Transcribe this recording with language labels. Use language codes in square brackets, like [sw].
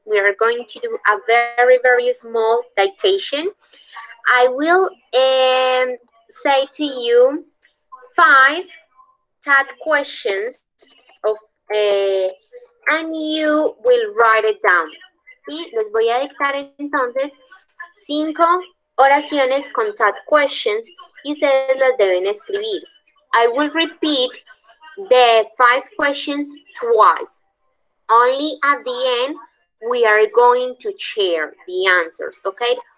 [en] We are going to do a very, very small dictation. I will say to you five tag questions of, and you will write it down. [es] Sí, les voy a dictar entonces cinco oraciones con tag questions y ustedes las deben escribir. [en] I will repeat the five questions twice. Only at the end we are going to share the answers, okay?